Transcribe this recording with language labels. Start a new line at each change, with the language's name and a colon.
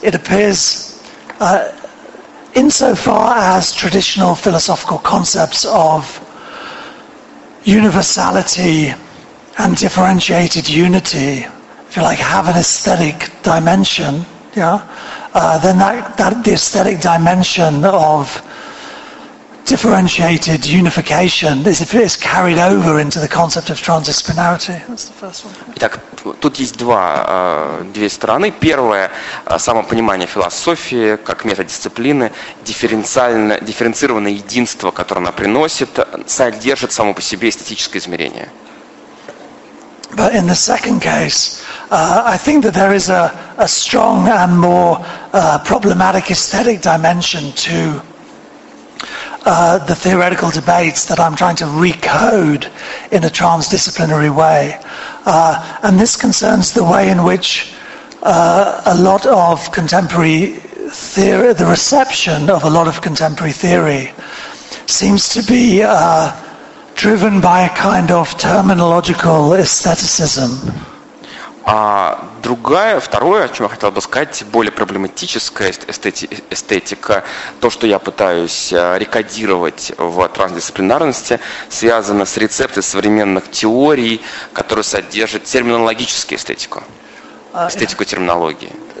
English: It appears insofar as traditional philosophical concepts of universality and differentiated unity, if you like, have an aesthetic dimension, yeah, then that the aesthetic dimension of differentiated unification is carried over into the concept of transdisciplinarity. That's the first one.
Russian: Итак, тут есть две стороны. Первое, самопонимание философии как метадисциплины, дифференцированное единство, которое она приносит, содержит само по себе эстетическое измерение.
English: But in the second case, I think that there is a strong and more problematic aesthetic dimension to the theoretical debates that I'm trying to recode in a transdisciplinary way. And this concerns the way in which a lot of contemporary theory, the reception of a lot of contemporary theory seems to be driven by a kind of terminological aestheticism.
Russian: Второе, о чем я хотел бы сказать, более проблематическая эстетика, то, что я пытаюсь рекодировать в трансдисциплинарности, связано с рецептами современных теорий, которые содержат терминологическую эстетику, эстетику терминологии.